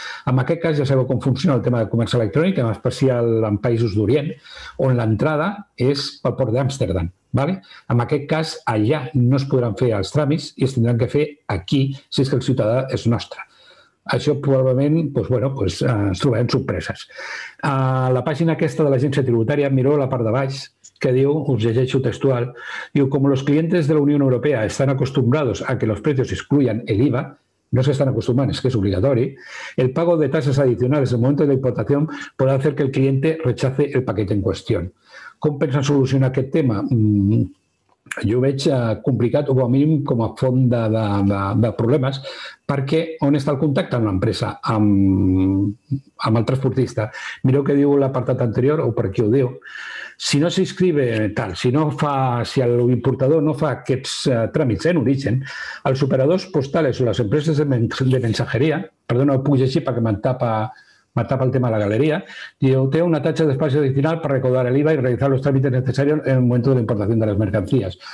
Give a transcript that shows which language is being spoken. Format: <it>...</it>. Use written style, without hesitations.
<ca>En aquest cas ja sabeu com funciona el tema de comerç electrònic, en especial en països d'Orient, on l'entrada és pel port d'Amsterdam. ¿Vale? En aquest cas, allà no es podran fer els tràmits i es tindran que fer aquí, si és que el ciutadà és nostre. Això probablement ens trobarem sorpreses. A la pàgina aquesta de l'Agència Tributària, miro la part de baix, que diu, us llegeixo textual, diu,</ca> <es>com los clientes de la Unión Europea están acostumbrados a que los precios excluyan el IVA, no se están acostumbrando, es que es obligatori, el pago de tasas adicionales en el momento de la importación puede hacer que el cliente rechace el paquete en cuestión.</es> <ca>Com pensen solucionar aquest tema? Jo ho veig complicat, o a mínim com a font de problemes, perquè on està el contacte amb l'empresa, amb el transportista? Mireu què diu l'apartat anterior, o per què ho diu. Si no s'inscribe tal, si l'importador no fa aquests tràmits en origen, els operadors postals o les empreses de mensajeria, perdona, ho puc llegir perquè m'atapa el tema de la galeria, diu, té una taxa d'espai adicional per recaudar l'IVA i realitzar els tràmits necessaris en el moment de la importació de les mercancies.</ca>